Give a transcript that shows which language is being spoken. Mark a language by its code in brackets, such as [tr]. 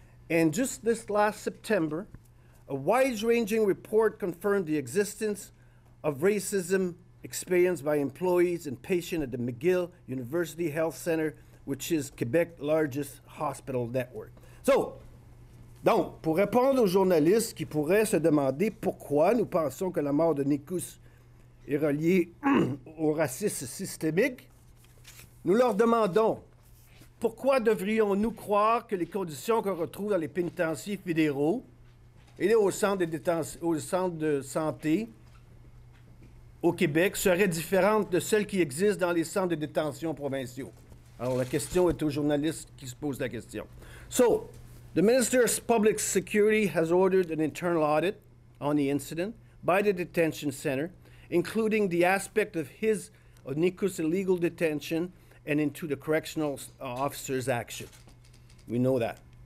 [en] And just this last September, a wide-ranging report confirmed the existence of racism experienced by employees and patients at the McGill University Health Center, which is Quebec's largest hospital network. [fr] So, donc, pour répondre aux journalistes qui pourraient se demander pourquoi nous pensons que la mort de Nicous est relié au racisme systémique, nous leur demandons pourquoi devrions-nous croire que les conditions qu'on retrouve dans les pénitenciers fédéraux et au centre de santé au Québec seraient différentes de celles qui existent dans les centres de détention provinciaux. Alors la question est aux journalistes qui se posent la question. [en] So, the Minister of Public Security has ordered an internal audit on the incident by the detention center, including the aspect of his of Nicous' illegal detention and into the correctional officer's action. We know that.